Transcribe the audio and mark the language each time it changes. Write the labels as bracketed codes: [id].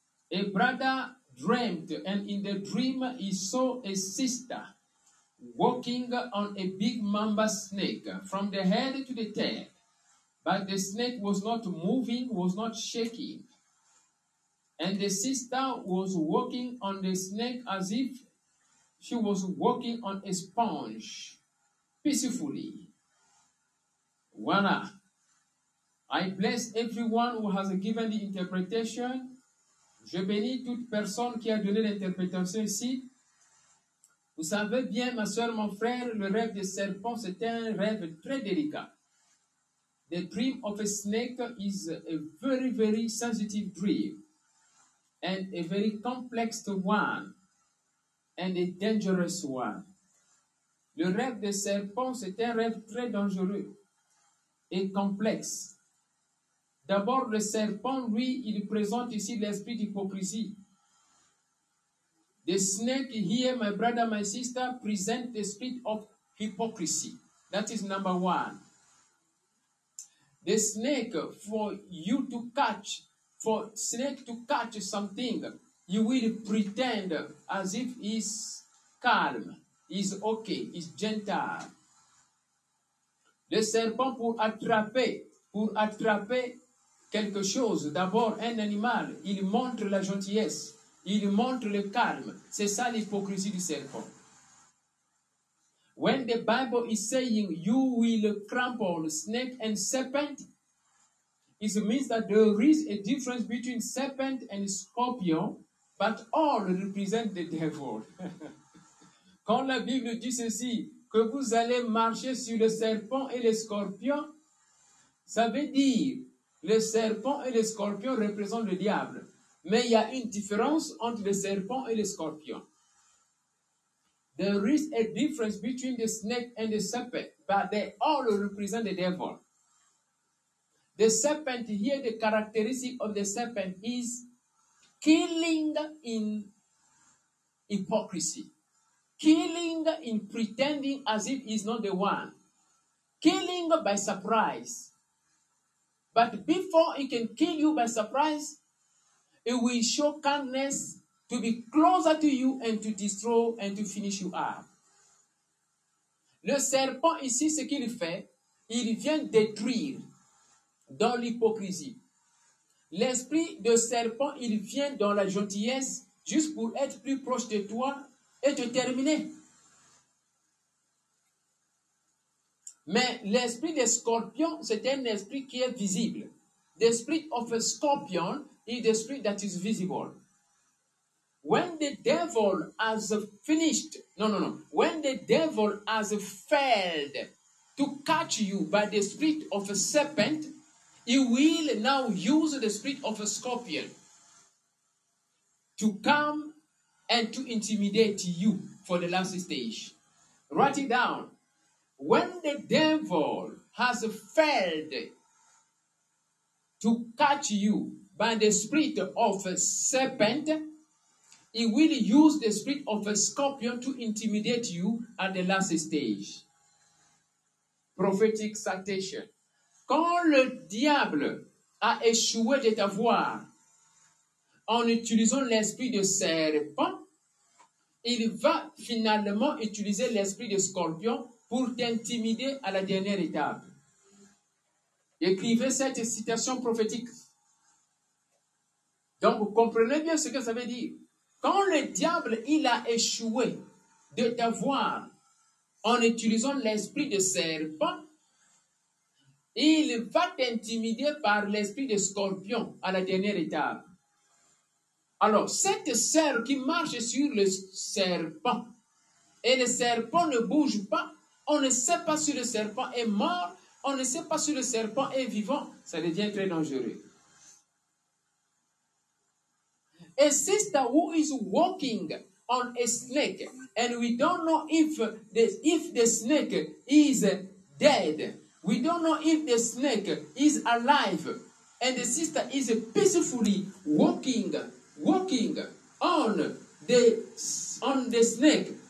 [en] A brother dreamt, and in the dream he saw a sister walking on a big mamba snake from the head to the tail, but the snake was not moving, was not shaking, and the sister was walking on the snake as if she was walking on a sponge peacefully. Voilà. I bless everyone who has given the interpretation. [fr] Je bénis toute personne qui a donné l'interprétation ici. Vous savez bien, ma soeur, mon frère, le rêve des serpents, c'est un rêve très délicat. [en] The dream of a snake is a very, very sensitive dream. And a very complex one. And a dangerous one. [fr] Le rêve des serpents, c'est un rêve très dangereux et complexe. D'abord, le serpent, lui, il présente ici l'esprit d'hypocrisie. [en] The snake here, my brother, my sister, present the spirit of hypocrisy. That is number one. The snake for you to catch, for snake to catch something, you will pretend as if he's calm, he's okay, he's gentle. [fr] Le serpent pour attraper quelque chose, d'abord un animal, il montre la gentillesse, il montre le calme. C'est ça l'hypocrisie du serpent. [en] When the Bible is saying you will trample snake and serpent, it means that there is a difference between serpent and scorpion, but all represent the devil. [fr] Quand la Bible dit ceci, que vous allez marcher sur le serpent et le scorpion, ça veut dire le serpent et le scorpion représentent le diable. Mais il y a une différence entre le serpent et le scorpion. [en] There is a difference between the snake and the serpent, but they all represent the devil. The serpent here, the characteristic of the serpent is killing in hypocrisy. Killing in pretending as if he's not the one. Killing by surprise. But before he can kill you by surprise, he will show kindness to be closer to you and to destroy and to finish you up. [fr] Le serpent ici, ce qu'il fait, il vient détruire dans l'hypocrisie. L'esprit de serpent, il vient dans la gentillesse juste pour être plus proche de toi et te terminer. Mais l'esprit des scorpions, c'est un esprit qui est visible. [en] The spirit of a scorpion is the spirit that is visible. When the devil has finished, when the devil has failed to catch you by the spirit of a serpent, he will now use the spirit of a scorpion to come and to intimidate you for the last stage. Write it down. When the devil has failed to catch you by the spirit of a serpent, he will use the spirit of a scorpion to intimidate you at the last stage. Prophetic citation. [fr] Quand le diable a échoué de t'avoir en utilisant l'esprit de serpent, il va finalement utiliser l'esprit de scorpion pour t'intimider à la dernière étape. Écrivez cette citation prophétique. Donc, vous comprenez bien ce que ça veut dire. Quand le diable, il a échoué de t'avoir en utilisant l'esprit de serpent, il va t'intimider par l'esprit de scorpion à la dernière étape. Alors, cette sœur qui marche sur le serpent, et le serpent ne bouge pas, on ne sait pas si le serpent est mort, on ne sait pas si le serpent est vivant, ça devient très dangereux. [en] A sister who is walking on a snake, and we don't know if the snake is dead. We don't know if the snake is alive. And the sister is peacefully walking on the snake.